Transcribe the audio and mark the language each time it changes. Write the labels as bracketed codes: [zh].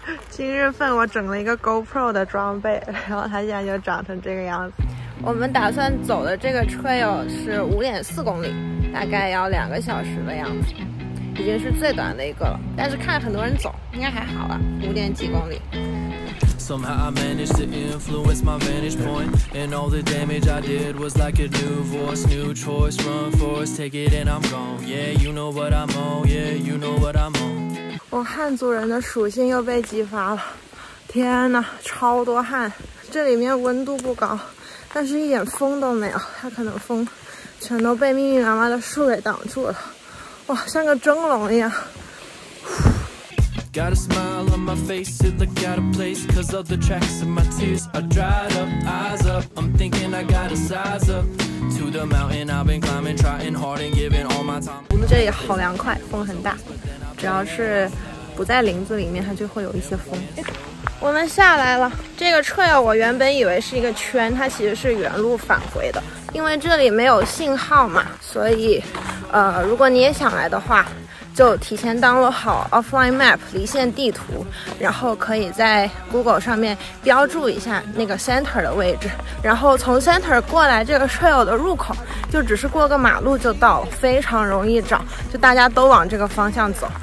[zh] 今日份我整了一个 GoPro 的装备，然后它现在就长成这个样子。我们打算走的这个 trail 是 5.4 公里，大概要两个小时的样子，已经是最短的一个了，但是看很多人走应该还好啊，五点几公里。 [en] Somehow I managed to influence my vantage point, and all the damage I did was like a new voice, new choice. Run for it, take it, and I'm gone. Yeah, you know what I'm on. Yeah, you know what I'm on. [zh] 我汉族人的属性又被激发了。天哪，超多汗！这里面温度不高，但是一点风都没有。它可能风全都被密密麻麻的树给挡住了。哇，像个蒸笼一样。 [en] Got a smile on my face, it looked out of place, cause of the tracks of my tears are dried up, eyes up, I'm thinking I gotta size up, to the mountain I've been climbing, trying hard and giving all my time. [zh] 我们这里好凉快，风很大，只要是不在林子里面它就会有一些风。我们下来了，这个 trail 我原本以为是一个圈，它其实是原路返回的，因为这里没有信号嘛，所以如果你也想来的话，就提前登录好 offline map 离线地图，然后可以在 Google 上面标注一下那个 center 的位置，然后从 center 过来这个 trail 的入口就只是过个马路就到了，非常容易找，就大家都往这个方向走。